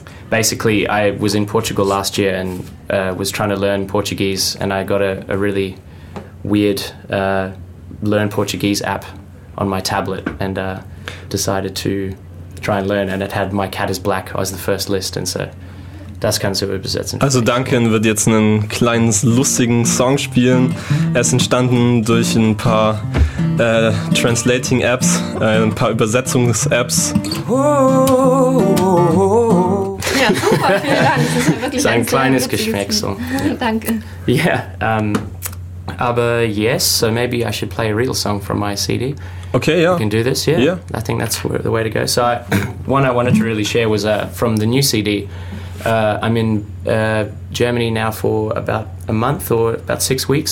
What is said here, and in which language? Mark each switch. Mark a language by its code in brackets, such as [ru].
[en] Basically, I was in Portugal last year and was trying to learn Portuguese, and I got a really weird Learn Portuguese app on my tablet and decided to try and learn, and it had My Cat is Black as the first list, and so [de] das kannst du übersetzen. Also Duncan wird jetzt einen kleinen lustigen Song spielen. Er ist entstanden durch ein paar Translating Apps, ein paar Übersetzungs Apps. Ja, super, vielen Dank. Das ist ein kleines Geschmack. So. Danke. [en] Yeah, aber yes, so maybe I should play a real song from my CD. Okay, yeah. You can do this, yeah. Yeah. I think that's the way to go. So one I wanted to really share was from the new CD. I'm in Germany now for about a month or about 6 weeks,